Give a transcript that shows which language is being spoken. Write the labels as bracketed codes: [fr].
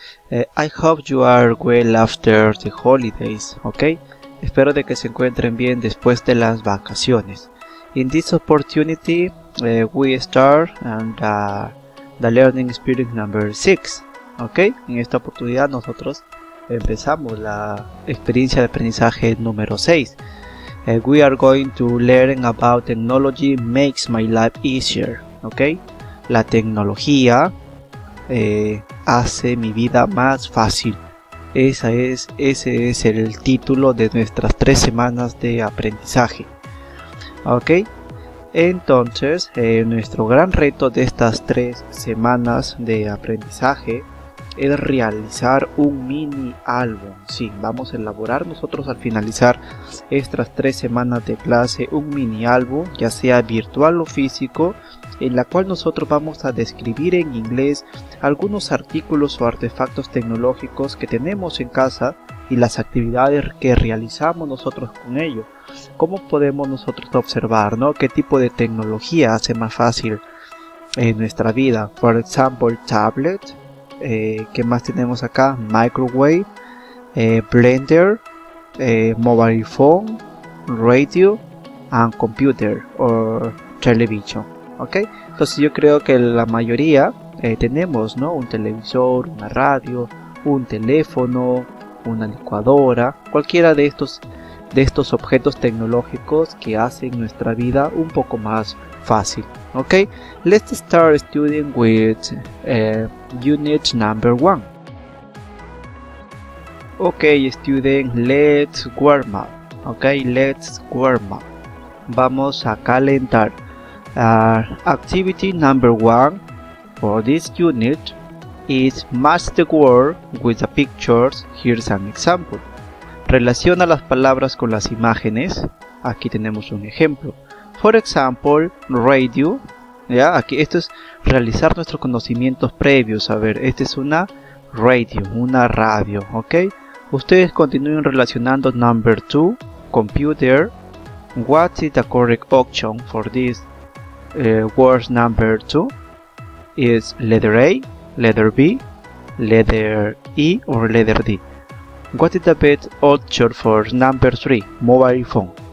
[en] I hope you are well after the holidays, okay? [es] Espero de que se encuentren bien después de las vacaciones. [en] In this opportunity, we start and the learning experience number 6, okay? [es] En esta oportunidad nosotros empezamos la experiencia de aprendizaje número 6. [en] We are going to learn about technology makes my life easier, okay? [es] La tecnología hace mi vida más fácil. Ese es el título de nuestras 3 semanas de aprendizaje. Ok, entonces nuestro gran reto de estas 3 semanas de aprendizaje es realizar un mini álbum. Sí, vamos a elaborar nosotros al finalizar estas 3 semanas de clase un mini álbum, ya sea virtual o físico, en la cual nosotros vamos a describir en inglés algunos artículos o artefactos tecnológicos que tenemos en casa y las actividades que realizamos nosotros con ello. ¿Cómo podemos nosotros observar, ¿no? ¿Qué tipo de tecnología hace más fácil en nuestra vida? Por ejemplo, tablet. ¿Qué más tenemos acá? [en] Microwave, blender, mobile phone, radio and computer or television. [es] Ok, entonces yo creo que la mayoría tenemos, ¿no? Un televisor, una radio, un teléfono, una licuadora, cualquiera de estos objetos tecnológicos que hacen nuestra vida un poco más fácil. [en] Ok, let's start studying with unit number 1. Ok, student, let's warm up. Ok, let's warm up. [es] Vamos a calentar. [en] Activity number 1 for this unit is match the word with the pictures. Here's an example. [es] Relaciona las palabras con las imágenes. Aquí tenemos un ejemplo. [en] For example, radio. [es] Ya, aquí esto es realizar nuestros conocimientos previos. A ver, esta es una radio, una radio, ¿ok? Ustedes continúen relacionando [en] number 2, computer. What is the correct option for this word number 2? Is letter A, letter B, letter E or letter D? What is the best option for number 3, mobile phone?